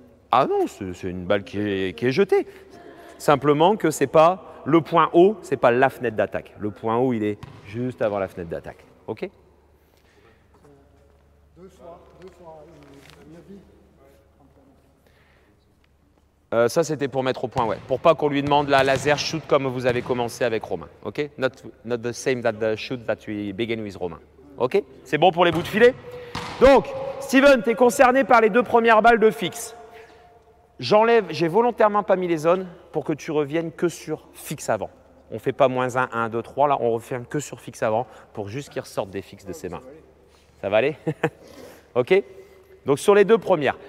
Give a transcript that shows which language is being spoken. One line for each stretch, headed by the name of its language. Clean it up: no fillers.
French: Ah non, c'est une balle qui est jetée. Simplement que c'est pas le point haut, c'est pas la fenêtre d'attaque. Le point haut, il est juste avant la fenêtre d'attaque. Ok? Ça, c'était pour mettre au point, ouais. Pour pas qu'on lui demande la laser shoot comme vous avez commencé avec Romain, ok?
English: Not the same that the shoot that we began with Romain, ok?
French: C'est bon pour les bouts de filet? Donc, Steven, tu es concerné par les deux premières balles de fixe. J'enlève, j'ai volontairement pas mis les zones pour que tu reviennes que sur fixe avant. On fait pas moins 1, 1, 2, 3, là, on revient que sur fixe avant pour juste qu'il ressorte des fixes de ses mains. Ça va aller? Ok? Donc, sur les deux premières.